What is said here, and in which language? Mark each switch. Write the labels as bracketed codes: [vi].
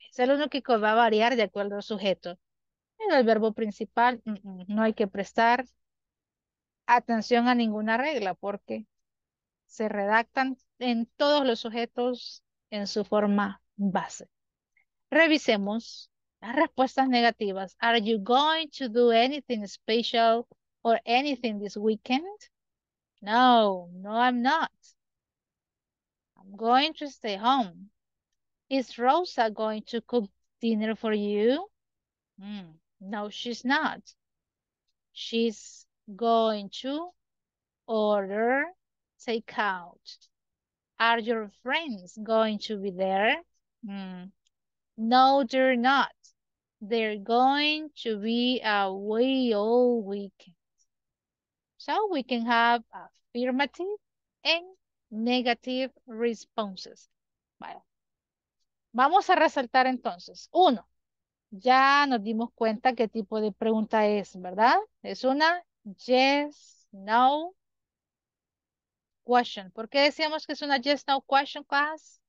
[es] Es el único que va a variar de acuerdo al sujeto. Pero el verbo principal, no hay que prestar atención a ninguna regla porque se redactan en todos los sujetos en su forma base. Revisemos las respuestas negativas. [en] Are you going to do anything special or anything this weekend? No, no, I'm not. I'm going to stay home. Is Rosa going to cook dinner for you? No, she's not. She's going to order takeout. Are your friends going to be there? No, they're not. They're going to be away all weekend. So we can have affirmative and negative responses. [es] Vale. Vamos a resaltar entonces. Uno, ya nos dimos cuenta qué tipo de pregunta es, ¿verdad? Es una [en] yes, no question. [es] ¿Por qué decíamos que es una [en] yes, no question class?